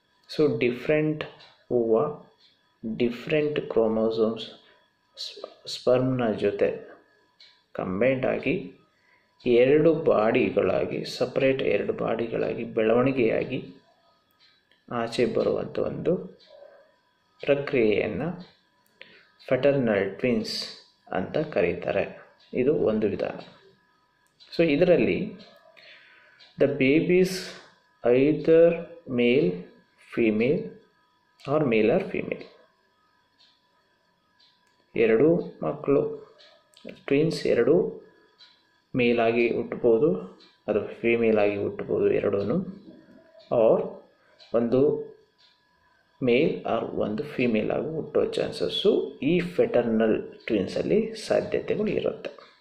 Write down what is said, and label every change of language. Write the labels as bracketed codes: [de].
[kn] So different ಹೂವಾ, different chromosomes ಸ್ಪರ್ಮ್ನ ಜೊತೆ combined ಆಗಿ ಎರಡು ಬಾಡಿಗಳಾಗಿ, ಸಪರೇಟ್ ಎರಡು ಬಾಡಿಗಳಾಗಿ ಬೆಳವಣಿಗೆಯಾಗಿ ಆಚೆ ಬರುವಂಥ ಒಂದು ಪ್ರಕ್ರಿಯೆಯನ್ನು ಫೆಟರ್ನಲ್ ಟ್ವಿನ್ಸ್ ಅಂತ ಕರೀತಾರೆ. ಇದು ಒಂದು ವಿಧಾನ. ಸೊ ಇದರಲ್ಲಿ [en] the babies either male, female or male or female. [kn] ಎರಡೂ ಮಕ್ಕಳು ಟ್ವಿನ್ಸ್ ಎರಡೂ ಮೇಲ್ ಆಗಿ ಹುಟ್ಟಬಹುದು ಅಥವಾ ಫೀಮೇಲ್ ಆಗಿ ಹುಟ್ಟಬಹುದು ಎರಡೂ, ಆರ್ ಒಂದು ಮೇಲ್ ಆರ್ ಒಂದು ಫೀಮೇಲ್ ಆಗಿ ಹುಟ್ಟೋ ಚಾನ್ಸಸ್ಸು ಈ ಫೆಟರ್ನಲ್ ಟ್ವಿನ್ಸಲ್ಲಿ ಸಾಧ್ಯತೆಗಳು ಇರುತ್ತೆ.